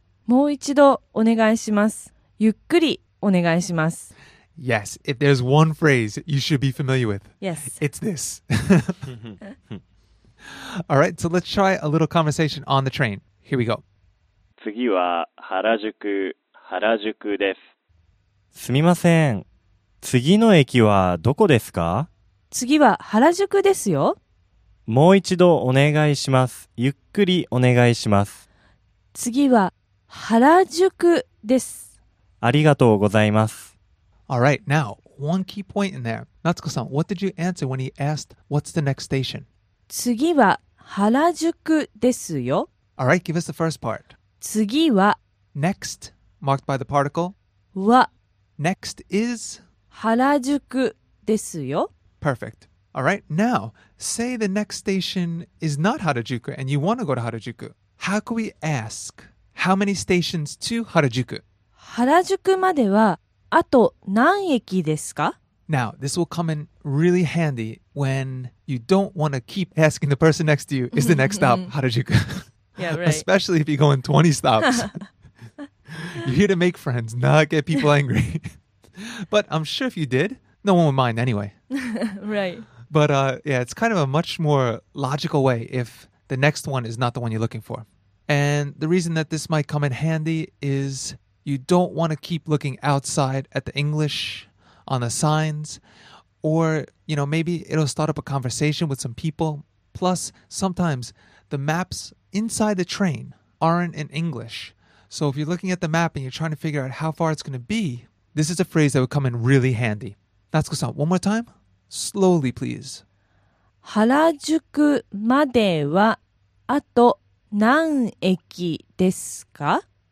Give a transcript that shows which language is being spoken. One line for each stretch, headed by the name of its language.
Japanese: もう一度お願いします。ゆっくりお願いします。
English: Yes, if there's one phrase you should be familiar with. Yes. It's this. All right, so let's try a little conversation on the train. Here we go.
Japanese: 次は原宿、原宿です。すみません。次の駅はどこですか? 次は原宿ですよ。もう一度お願いします。ゆっくりお願いします。次は原宿です。ありがとうございます。
English: All right, now, one key point in there. Natsuko-san, what did you answer when he asked, what's the next station?
Japanese: 次は原宿ですよ。
English: All right, give us the first part.
Japanese: 次は。
English: Next, marked by the particle.
Japanese: は。
English: Next is?
Japanese: 原宿ですよ。
English: Perfect. All right, now, say the next station is not Harajuku and you want to go to Harajuku. How could we ask how many stations to Harajuku?
Japanese: 原宿までは、あと何駅ですか?
English: Now, this will come in really handy when you don't want to keep asking the person next to you, is the next stop Harajuku? Yeah, right. Especially if you go in 20 stops. You're here to make friends, not get people angry. But I'm sure if you did, no one would mind anyway. Right. But yeah, it's kind of a much more logical way if the next one is not the one you're looking for. And the reason that this might come in handy is... You don't want to keep looking outside at the English on the signs. Or, you know, maybe it'll start up a conversation with some people. Plus, sometimes the maps inside the train aren't in English. So if you're looking at the map and you're trying to figure out how far it's going to be, this is a phrase that would come in really handy. Natsuko-san, one more time. Slowly, please.
Japanese: 原宿まではあと何駅ですか?